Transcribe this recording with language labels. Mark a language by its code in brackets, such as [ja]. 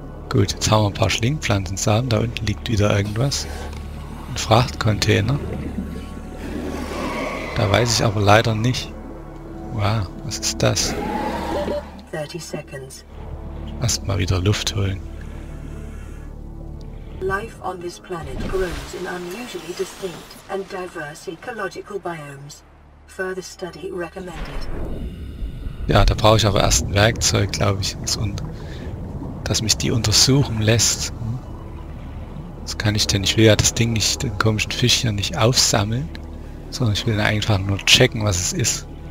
[de] Gut, jetzt haben wir ein paar Schlingpflanzen, Samen. Da unten liegt wieder irgendwas. Ein Frachtcontainer. Da weiß ich aber leider nicht. Wow, was ist das? [en] 30 seconds. [de] Erstmal wieder Luft holen. [en] Life on this planet grows in unusually distinct and diverse ecological biomes. Further study recommended. [de] Ja, da brauche ich auch erst ein Werkzeug, glaube ich, dass mich die untersuchen lässt. Was kann ich denn? Ich will ja das Ding nicht, den komischen Fisch hier nicht aufsammeln, sondern ich will einfach nur checken, was es ist.